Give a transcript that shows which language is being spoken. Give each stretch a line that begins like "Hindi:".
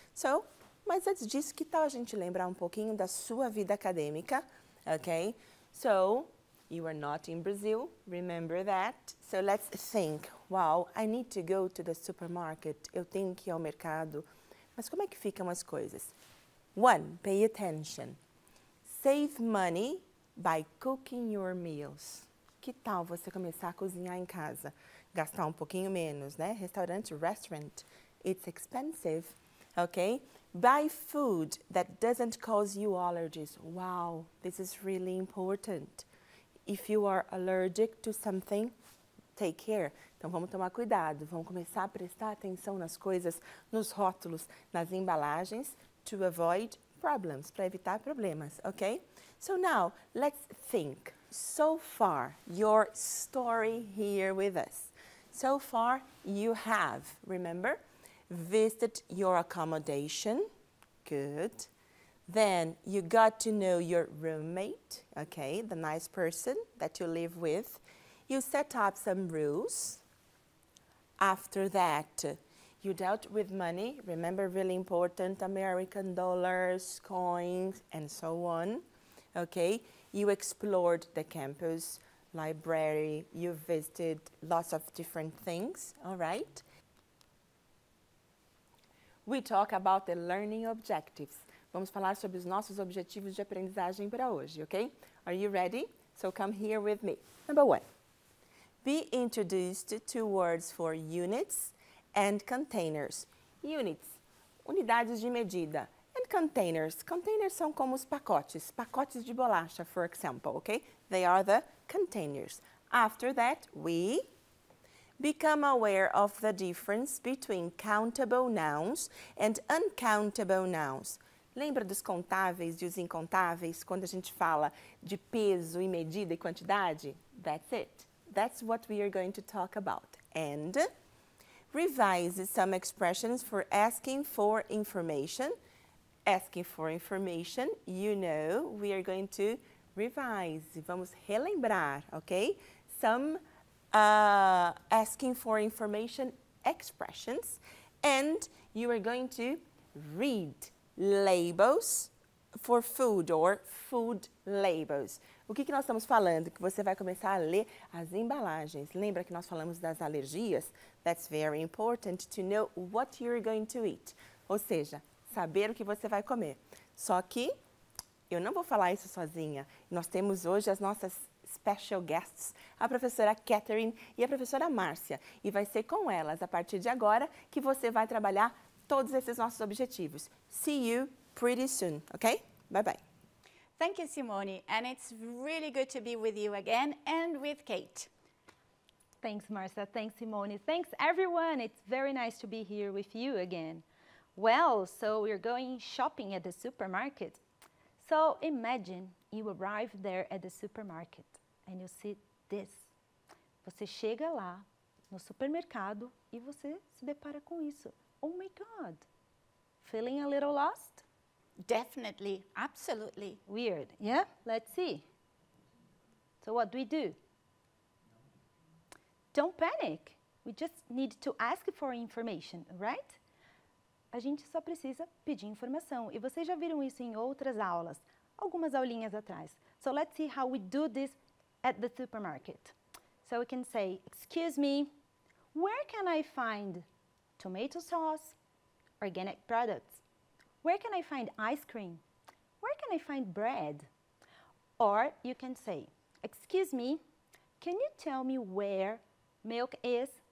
Portuguese: So, mas antes disso, que tal a gente lembrar um pouquinho da sua vida acadêmica, ok?
English: So, you are not in Brazil, remember that. So let's think, wow, I need to go to the supermarket.
Portuguese: Eu tenho que ir ao mercado. Mas como é que ficam as coisas?
English: One, pay attention. Save money by cooking your meals.
Portuguese: Que tal você começar a cozinhar em casa? Gastar um pouquinho menos, né? Restaurante,
English: restaurant, it's expensive, okay? Buy food that doesn't cause you allergies. Wow, this is really important. If you are allergic to something, take care.
Portuguese: Então, vamos tomar cuidado. Vamos começar a prestar atenção nas coisas, nos rótulos, nas embalagens,
English: to avoid problems,
Portuguese: para evitar problemas, ok?
English: So now, let's think. So far, your story here with us. So far, you have, remember, visited your accommodation. Good. Then you got to know your roommate, okay, the nice person that you live with. You set up some rules. After that, you dealt with money. Remember, really important, American dollars, coins, and so on. Okay, you explored the campus, library. You visited lots of different things, all right? We talk about the learning objectives.
Portuguese: Vamos falar sobre os nossos objetivos de aprendizagem para hoje, ok?
English: Are you ready? So come here with me. Number one, be introduced to words for units and containers.
Portuguese: Units, unidades de medida. And containers, containers são como os pacotes, pacotes de bolacha,
English: for example,
Portuguese: ok?
English: They are the containers. After that, we become aware of the difference between countable nouns and uncountable nouns.
Portuguese: Lembra dos contáveis e os incontáveis quando a gente fala de peso e medida e quantidade?
English: That's it. That's what we are going to talk about. And revise some expressions for asking for information. Asking for information, you know, we are going to revise.
Portuguese: Vamos relembrar,
English: ok? Some asking for information expressions. And you are going to read labels for food or food labels.
Portuguese: O que nós estamos falando? Que você vai começar a ler as embalagens. Lembra que nós falamos das alergias?
English: That's very important to know what you're going to eat.
Portuguese: Ou seja, saber o que você vai comer. Só que eu não vou falar isso sozinha. Nós temos hoje as nossas
English: special guests,
Portuguese: a professora Catherine e a professora Márcia. E vai ser com elas, a partir de agora, que você vai trabalhar todos esses nossos objetivos.
English: See you pretty soon, okay? Bye-bye. Thank you, Simone. And it's really good to be with you again and with Kate. Thanks, Marcia. Thanks, Simone. Thanks, everyone. It's very nice to be here with you again. Well, so we're going shopping at the supermarket. So imagine you arrive there at the supermarket and you see this.
Portuguese: Você chega lá no supermercado e você se depara com isso.
English: Oh my God, feeling a little lost? Definitely, absolutely. Weird, yeah? Let's see. So what do we do? Don't panic. We just need to ask for information, right?
Portuguese: A gente só precisa pedir informação. E vocês já viram isso em outras aulas, algumas aulinhas atrás.
English: So let's see how we do this at the supermarket. So we can say, excuse me, where can I find tomato sauce, organic products? Where can I find ice cream? Where can I find bread? Or you can say, excuse me, can you tell me where milk is?